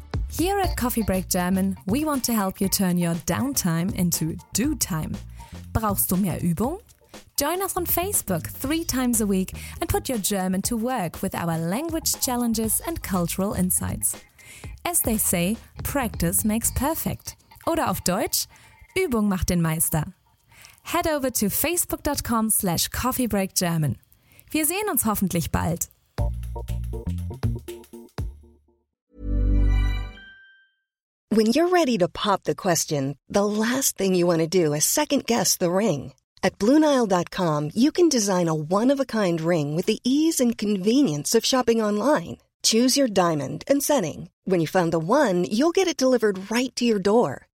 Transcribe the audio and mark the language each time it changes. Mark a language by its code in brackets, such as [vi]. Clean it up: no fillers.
[en] Here at Coffee Break German, we want to help you turn your downtime into do time. [de] Brauchst du mehr Übung? [en] Join us on Facebook 3 times a week and put your German to work with our language challenges and cultural insights. As they say, practice makes perfect. [de] Oder auf Deutsch, Übung macht den Meister. [en] Head over to facebook.com/coffeebreakgerman. [de] Wir sehen uns hoffentlich bald. [en] When you're ready to pop the question, the last thing you want to do is second guess the ring. At BlueNile.com, you can design a one-of-a-kind ring with the ease and convenience of shopping online. Choose your diamond and setting. When you find the one, you'll get it delivered right to your door.